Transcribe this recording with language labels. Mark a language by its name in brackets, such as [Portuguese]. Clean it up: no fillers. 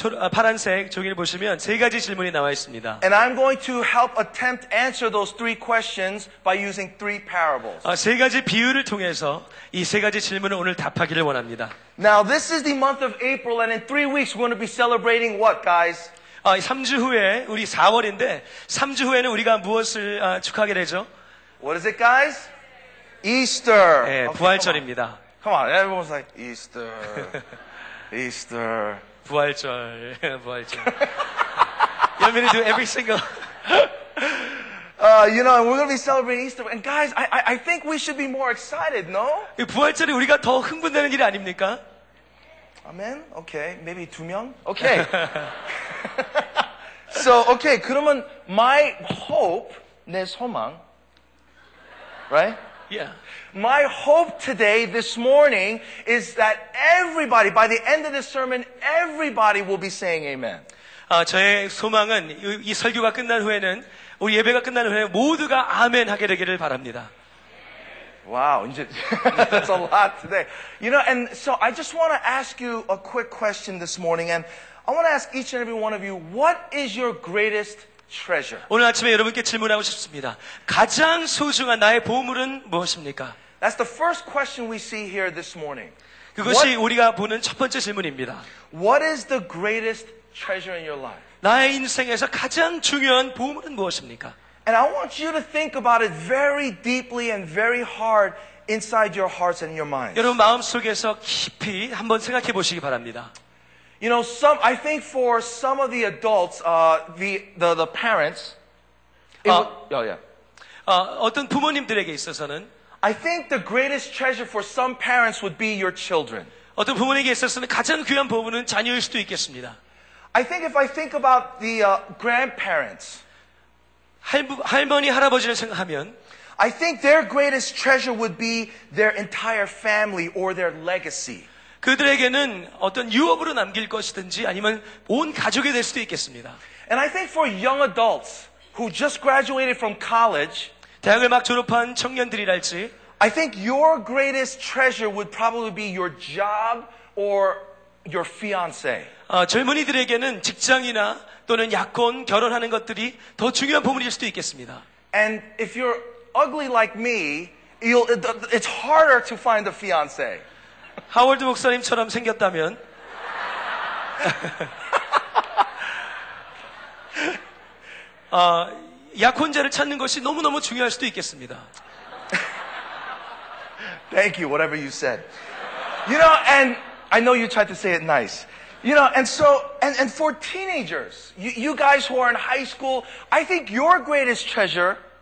[Korean] 파란색 종이를 보시면 세 가지 질문이 나와 있습니다. [English] And I'm going to help attempt answer those three questions by using three parables. [Korean] 세 가지 비유를 통해서 이 세 가지 질문을 오늘 답하기를 원합니다. [English] Now this is the month of April and in 3 weeks we're going to be celebrating what, guys? [Korean] 3주 후에 우리 4월인데 3주 후에는 우리가 무엇을 축하하게 되죠? [English] What is it, guys? Easter. [Korean] 예, 네, okay, 부활절입니다. [English] Come on, everyone's like Easter. Easter. [Korean] 부활절. 부활절. [English] You want me to do every single You know, we're going to be celebrating Easter. And guys, I think we should be more excited, no? [Korean] 부활절이 우리가 더 흥분되는 일이 아닙니까? [English] Amen? Okay, maybe [Korean] 두 명? [English] Okay. So, okay, [Korean] 그러면 [English] my hope, [Korean] 내 소망, [English] right? Yeah. My hope today, this morning, is that everybody, by the end of this sermon, everybody will be saying amen. [Korean] 저의 소망은 이 설교가 끝난 후에는 우리 예배가 끝난 후에 모두가 아멘 하게 되기를 바랍니다. [English] Wow, that's a lot today. You know, and so I just want to ask you a quick question this morning, and I want to ask each and every one of you, what is your greatest treasure? [Korean] 오늘 아침에 여러분께 질문하고 싶습니다. 가장 소중한 나의 보물은 무엇입니까? [English] That's the first question we see here this morning. [Korean] 그것이 우리가 보는 첫 번째 질문입니다. [English] What is the greatest treasure in your life? [Korean] 나의 인생에서 가장 중요한 보물은 무엇입니까? [English] And I want you to think about it very deeply and very hard inside your hearts and your minds. [Korean] 여러분 마음속에서 깊이 한번 생각해 보시기 바랍니다. [English] You know, some I think for some of the adults, the parents. Oh yeah. [Korean] 어떤 부모님들에게 있어서는 [English] I think the greatest treasure for some parents would be your children. [Korean] 어떤 부모에게 있어서는 가장 귀한 보물은 자녀일 수도 있겠습니다. [English] I think if I think about the grandparents. [Korean] 할머니 할아버지를 생각하면 [English] I think their greatest treasure would be their entire family or their legacy. [Korean] 그들에게는 어떤 유업으로 남길 것이든지 아니면 온 가족이 될 수도 있겠습니다. [English] And I think for young adults who just graduated from college, [Korean] 대학을 막 졸업한 청년들이랄지 [English] I think your greatest treasure would probably be your job or your fiance. [Korean] 젊은이들에게는 직장이나 또는 약혼, 결혼하는 것들이 더 중요한 보물일 수도 있겠습니다. [English] And if you're ugly like me, it's harder to find a fiance. [Korean] 하월드 목사님처럼 생겼다면 약혼자를 찾는 것이 너무너무 중요할 수도 있겠습니다. [English] Thank you, whatever you said. You know, and I know you tried to say it nice. You know, and so, and for teenagers, you guys who are in high school, I think your greatest treasure,